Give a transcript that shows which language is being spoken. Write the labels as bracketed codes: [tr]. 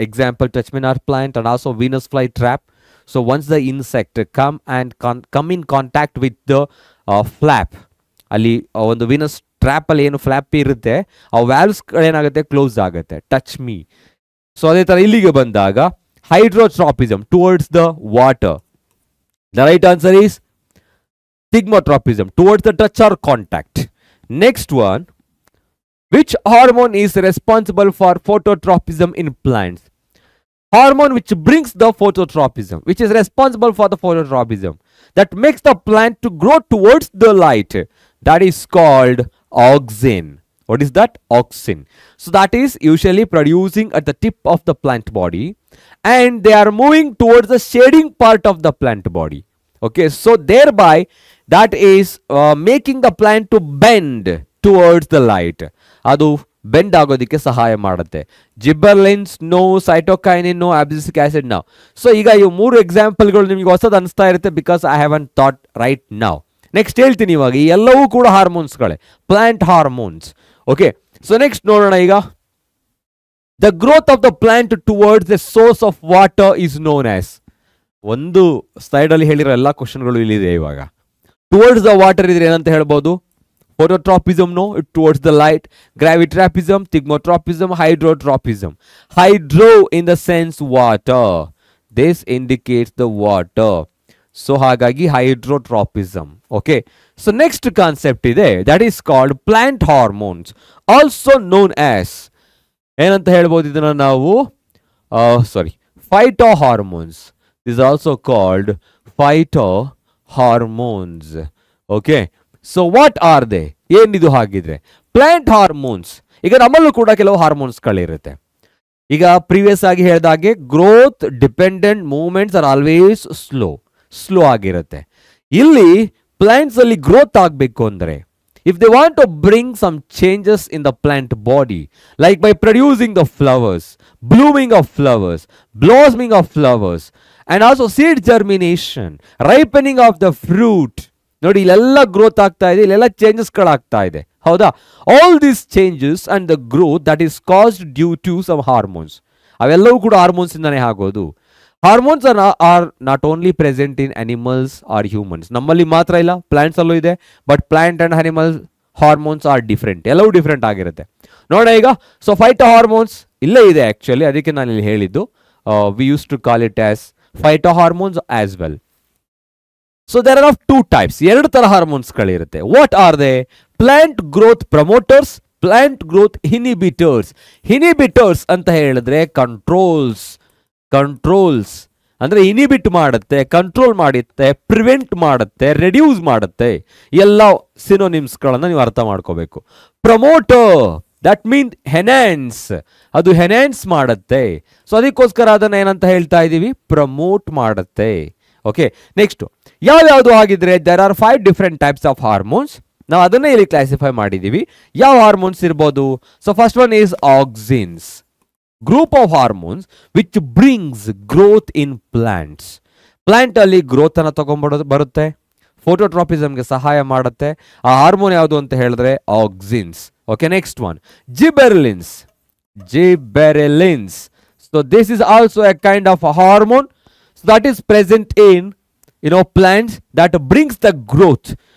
[en] Example, touch mean R plant and also Venus fly trap. So once the insect come and come in contact with the flap, [kn] ಅಲ್ಲಿ ಒಂದು Venus ಟ್ರ್ಯಾಪಲ್ಲಿ ಏನು flap ಇರುತ್ತೆ, ಆ ವ್ಯಾಲ್ವ್ಸ್ಗಳೇನಾಗುತ್ತೆ, close ಆಗುತ್ತೆ, [en] Touch me. [kn] So ಅದೇ ಥರ ಇಲ್ಲಿಗೆ ಬಂದಾಗ [en] Hydrotropism towards the water. The right answer is thigmotropism towards the touch or contact. Next one, which hormone is responsible for phototropism in plants? Hormone which brings the phototropism, which is responsible for the phototropism that makes the plant to grow towards the light, that is called auxin. What is that? Auxin. So that is usually producing at the tip of the plant body and they are moving towards the shading part of the plant body. Okay, so thereby that is making the plant to bend towards the light. [kn] ಅದು bend ಆಗೋದಕ್ಕೆ ಸಹಾಯ ಮಾಡುತ್ತೆ. ಜಿಬರ್ಲಿನ್ಸ್ no, cytokinin no, abscisic acid no. So ಈಗ ಈ ಮೂರು ಎಕ್ಸಾಂಪಲ್ಗಳು ನಿಮಗೆ ಹೊಸದು ಅನಿಸ್ತಾ ಇರುತ್ತೆ, [en] Because I haven't taught right now. [kn] Next ಹೇಳ್ತೀನಿ ಇವಾಗ, ಈ ಎಲ್ಲವೂ ಕೂಡ ಹಾರ್ಮೋನ್ಸ್ಗಳೇ, plant hormones. [en] okay, [kn] so next ನೋಡೋಣ ಈಗ. [en] The growth of the plant towards the source of water is known as. [kn] ಒಂದು ಸ್ಲೈಡಲ್ಲಿ ಹೇಳಿರೋ ಎಲ್ಲ ಕ್ವಶನ್ಗಳು ಇಲ್ಲಿದೆ. ಇವಾಗ [en] towards the water [kn] ಇದ್ರೆ ಏನಂತ ಹೇಳ್ಬೋದು, [en] phototropism, no, it towards the light, gravitropism, thigmotropism, hydrotropism. Hydro in the sense water, this indicates the water, so [kn] hagagi [en] hydrotropism. Okay, so next concept ide, that is called plant hormones, also known as [kn] en anta helbodu idana naavu, [en] sorry, phytohormones. These are also called phytohormones. Okay, so what are they? [kn] ಏನಿದು ಹಾಗಿದ್ರೆ plant hormones. ಈಗ ನಮ್ಮಲ್ಲೂ ಕೂಡ ಕೆಲವು ಹಾರ್ಮೋನ್ಸ್ಗಳಿರುತ್ತೆ. ಈಗ previous ಆಗಿ ಹೇಳಿದಾಗೆ growth dependent movements are always slow ಆಗಿರುತ್ತೆ. ಇಲ್ಲಿ ಪ್ಲಾಂಟ್ಸ್ ಅಲ್ಲಿ ಗ್ರೋತ್ ಆಗಬೇಕು ಅಂದರೆ, [en] If they want to bring some changes in the plant body, like by producing the flowers, blooming of flowers, blossoming of flowers and also seed germination, ripening of the fruit. [kn] ನೋಡಿ, ಇಲ್ಲೆಲ್ಲ growth ಆಗ್ತಾ ಇದೆ, ಇಲ್ಲೆಲ್ಲ ಚೇಂಜಸ್ಗಳಾಗ್ತಾ ಇದೆ. ಹೌದಾ? [en] All these changes and the growth that is caused due to some hormones. [kn] ಅವೆಲ್ಲವೂ ಕೂಡ hormones ಇಂದಾನೇ ಆಗೋದು. [en] Hormones are not only present in animals or humans. [kn] ನಮ್ಮಲ್ಲಿ ಮಾತ್ರ ಇಲ್ಲ, ಪ್ಲಾಂಟ್ಸ್ ಅಲ್ಲೂ ಇದೆ. [en] but plant and animal hormones are different, [kn] ಎಲ್ಲವೂ different ಆಗಿರುತ್ತೆ. ನೋಡೋಣ ಈಗ. [en] so phyto hormones [kn] ಇಲ್ಲೇ ಇದೆ ಆಕ್ಚುಲಿ, ಅದಕ್ಕೆ ನಾನು ಇಲ್ಲಿ ಹೇಳಿದ್ದು. [en] We use to call it as phyto hormones as well. So there are of two types, [kn] ಎರಡು ತರ hormones ಗಳಿರುತ್ತೆ. [en] What are they? Plant growth promoters, plant growth inhibitors. [kn] Inhibitors ಅಂತ ಹೇಳಿದ್ರೆ ಕಂಟ್ರೋಲ್ಸ್, ಕಂಟ್ರೋಲ್ಸ್ ಅಂದ್ರೆ ಇನಿಬಿಟ್ ಮಾಡುತ್ತೆ, ಕಂಟ್ರೋಲ್ ಮಾಡುತ್ತೆ, prevent ಮಾಡುತ್ತೆ, reduce ಮಾಡುತ್ತೆ, ಎಲ್ಲ ಸಿನೋನಿಮ್ಸ್ ಗಳನ್ನ ನೀವು ಅರ್ಥ ಮಾಡ್ಕೋಬೇಕು. [en] promoter that mean enhance, [kn] ಅದು ಎನ್ಹಾನ್ಸ್ ಮಾಡುತ್ತೆ. ಸೊ ಅದಕ್ಕೋಸ್ಕರ ಅದನ್ನ ಏನಂತ ಹೇಳ್ತಾ ಇದೀವಿ, ಪ್ರಮೋಟ್ ಮಾಡುತ್ತೆ. [en] okay, [kn] ನೆಕ್ಸ್ಟ್ ಯಾವ್ಯಾವುದು ಆಗಿದ್ರೆ, [en] There are five different types of hormones. [kn] ನಾವು ಅದನ್ನೇ ಇಲ್ಲಿ ಕ್ಲಾಸಿಫೈ ಮಾಡಿದ್ದೀವಿ, ಯಾವ ಹಾರ್ಮೋನ್ಸ್ ಇರ್ಬೋದು. [en] So first one is auxins, group of hormones which brings growth in plants. [kn] Plant ಅಲ್ಲಿ ಗ್ರೋತ್ ಅನ್ನು ಬರುತ್ತೆ, ಫೋಟೋಟ್ರಾಪಿಸಮ್ಗೆ ಸಹಾಯ ಮಾಡುತ್ತೆ. ಆ ಹಾರ್ಮೋನ್ ಯಾವುದು ಅಂತ ಹೇಳಿದ್ರೆ auxins. Okay, next one ಜಿಬೆರಲಿನ್ಸ್, ಜಿಬೆರಲಿನ್ಸ್. [en] So this is also a kind of hormone. So that is present in, you know, plants that brings the growth.